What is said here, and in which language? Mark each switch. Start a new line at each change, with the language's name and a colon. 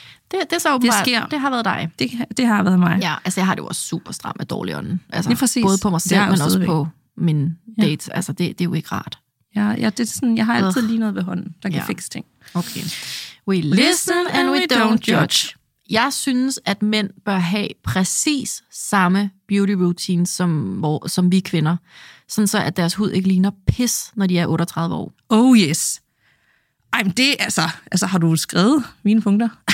Danish: Det er så åbenbart, det har været dig. Det har været mig. Ja, altså jeg har det jo også super stramt med dårlig ånden. Altså, både på mig selv, men også på min date. Altså det er jo ikke rart. Ja, det er sådan, jeg har altid lige noget ved hånden, der kan fikse ting. Okay.
English: We listen and we don't judge.
Danish: Jeg synes, at mænd bør have præcis samme beauty routine som vi kvinder. Sådan så, at deres hud ikke ligner pis, når de er 38 år.
English: Oh yes.
Danish: Ej, men det altså... Altså, har du skrevet mine punkter?